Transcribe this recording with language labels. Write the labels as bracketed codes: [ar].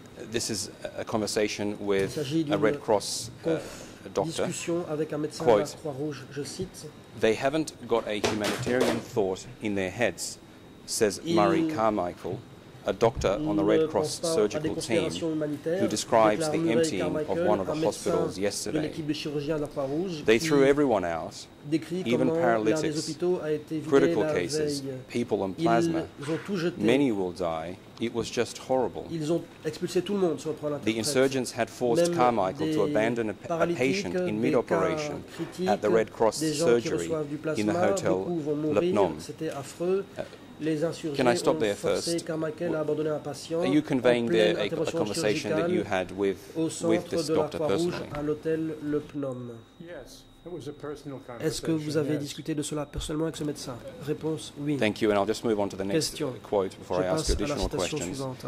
[en] This is a conversation with a Red Cross doctor. [fr] Discussion avec un médecin de la Croix-Rouge, je cite. [en] They haven't got a humanitarian thought in their heads, says Murray Carmichael, a doctor on the Red Cross surgical team, who describes the emptying of one of the hospitals yesterday. They threw everyone out, even paralytics, critical cases, people on plasma. Many will die. It was just horrible. The insurgents had forced Carmichael to abandon a patient in mid-operation at the Red Cross surgery in the hotel Le Phnom. [fr] Les insurgés ont forcé Carmichael à abandonner un patient. [en] Are you conveying there a conversation that you had with this doctor personally? [fr] À l'hôtel Le Phnom. [en] Yes, it was a personal conversation. [fr] Est-ce que vous avez discuté de cela personnellement avec ce médecin? Réponse: oui. [en] Thank you, and I'll just move on to the next quote before I ask additional questions.